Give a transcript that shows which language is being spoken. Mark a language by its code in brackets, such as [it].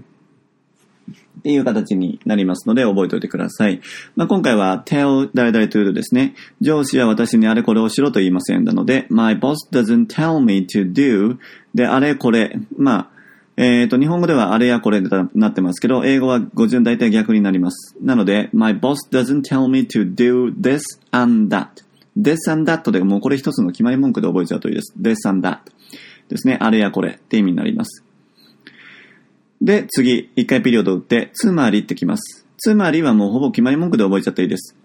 [ja] っていう形になりますので覚えておいてください。まあ、今回は tell 誰々 to do ですね。上司は私にあれこれをしろと言いませんなので、 [en] my boss doesn't tell me to do [ja] であれこれ。まあ、日本語ではあれやこれでなってますけど、英語は語順大体逆になります。なので、 [en] my boss doesn't tell me to do this and that。 this and that [ja] でもうこれ一つの決まり文句で覚えちゃうといいです。this and that ですね。あれやこれって意味になります。で、次、一回ピリオド打って、つまりってきます。つまりはもうほぼ決まり文句で覚えちゃっていいです。